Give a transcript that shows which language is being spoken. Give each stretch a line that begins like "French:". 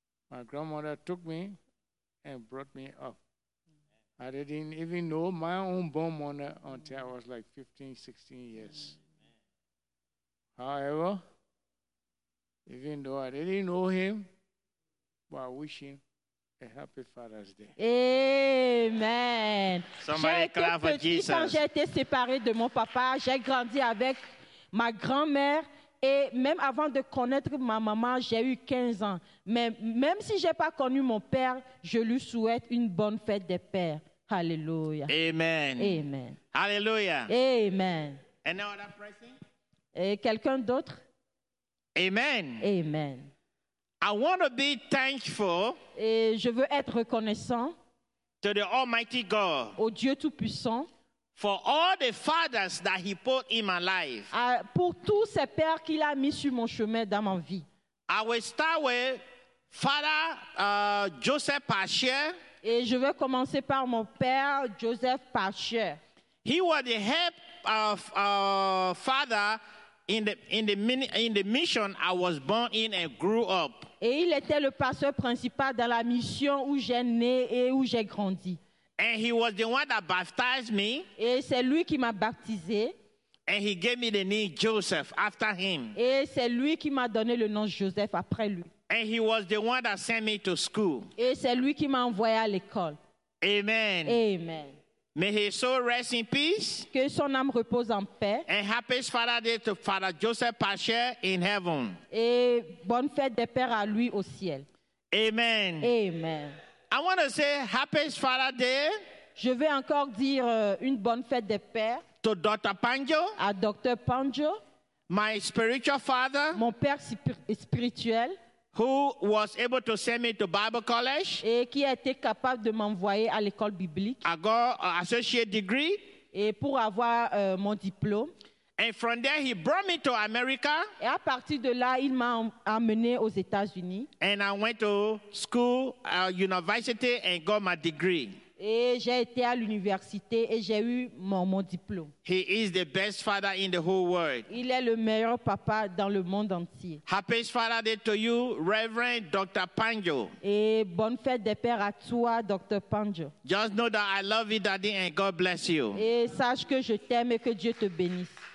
English: My grandmother took me and brought me up. I didn't even know my own born mother until I was like 15, 16 years. Amen. However, even though I didn't know him, but I wish him a happy Father's Day. Amen. Somebody
French: j'ai
English: clap for Jesus.
French: Quand j'ai été séparée de mon papa, j'ai grandi avec ma grand-mère. Et même avant de connaître ma maman, j'ai eu 15 ans. Mais même si je n'ai pas connu mon père, je lui souhaite une bonne fête des pères.
English: Hallelujah. Amen. Amen. Hallelujah. Amen. Any other person?
French: Et quelqu'un d'autre?
English: Amen. Amen. I want to be thankful.
French: Et je veux être reconnaissant.
English: To the Almighty God.
French: Au Dieu Tout-Puissant.
English: For all the fathers that He put in my life.
French: Pour tous ces pères qu'il a mis sur mon chemin dans ma vie.
English: I will start with Father Joseph Pasher.
French: Et je vais commencer par mon père, Joseph Pasher.
English: He was the help of father in the mission I was born in and grew up.
French: Et il était le pasteur principal dans la mission où j'ai né et où j'ai grandi.
English: And he was the one that baptized me.
French: Et c'est lui qui m'a baptisé.
English: And he gave me the name Joseph after him.
French: Et c'est lui qui m'a donné le nom Joseph après lui.
English: And he was the one that sent me to school.
French: Et c'est lui qui m'a envoyé à l'école.
English: Amen. Amen. May his soul rest in peace.
French: Que son âme repose en paix.
English: And happy Father Day to Father Joseph Pasher in heaven.
French: Et bonne fête des pères à lui au ciel.
English: Amen. Amen. I want to say happy Father Day.
French: Je vais encore dire une bonne fête des pères.
English: To Dr. Panjo.
French: À Dr. Panjo.
English: My spiritual father.
French: Mon père spirituel.
English: Who was able to send me to Bible college?
French: Et qui a été capable de m'envoyer à l'école biblique?
English: I got an associate degree.
French: Et pour avoir mon diplôme.
English: And from there, he brought me to America.
French: Et à partir de là, il m'a amené aux États-Unis.
English: And I went to school, university, and got my degree.
French: Et j'ai été à l'université et j'ai eu mon diplôme.
English: He is the best father in the whole world.
French: Il est le meilleur papa dans le monde entier.
English: Happy Father Day to you, Reverend Dr. Panjo.
French: Et bonne fête des pères à toi, Dr. Panjo.
English: Just know that I love you, Daddy, and God bless you.
French: Et sache que je t'aime et que Dieu te bénisse.